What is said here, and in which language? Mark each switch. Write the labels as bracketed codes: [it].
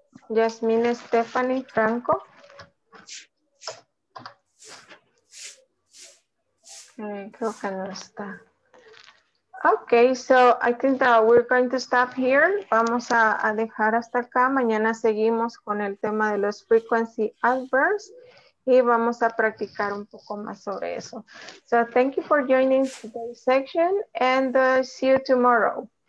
[es] Yasmin Stephanie Franco. Creo que no está. [en] Okay, so I think that we're going to stop here. [es] Vamos a dejar hasta acá. Mañana seguimos con el tema de los frequency adverbs y vamos a practicar un poco más sobre eso. [en] So thank you for joining today's section and see you tomorrow.